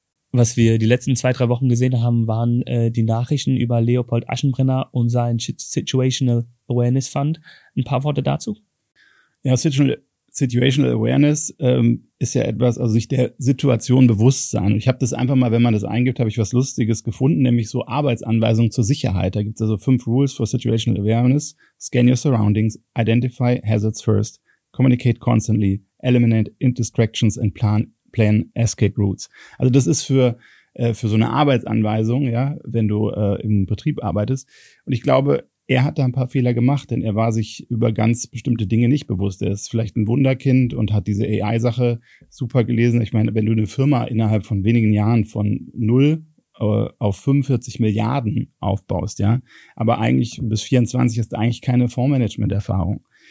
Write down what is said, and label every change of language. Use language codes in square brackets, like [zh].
[de] Was wir die letzten zwei, drei Wochen gesehen haben, waren die Nachrichten über Leopold Aschenbrenner und seinen Situational Awareness Fund. Ein paar Worte dazu? Ja, Situational Awareness ist ja etwas, also sich der Situation bewusst sein. Ich habe das einfach mal, wenn man das eingibt, habe ich was Lustiges gefunden, nämlich so Arbeitsanweisungen zur Sicherheit. Da gibt es also 5 Rules for Situational Awareness. [en] Scan your surroundings, identify hazards first, communicate constantly, eliminate distractions and plan escape routes. [de] Also das ist für so eine Arbeitsanweisung, ja, wenn du im Betrieb arbeitest. Und ich glaube, er hat da ein paar Fehler gemacht, denn er war sich über ganz bestimmte Dinge nicht bewusst. Er ist vielleicht ein Wunderkind und hat diese AI-Sache super gelesen. Ich meine, wenn du eine Firma innerhalb von wenigen Jahren von 0 auf 45 Milliarden aufbaust, ja, aber eigentlich bis 24 hast du eigentlich keine Fondsmanagement-Erfahrung.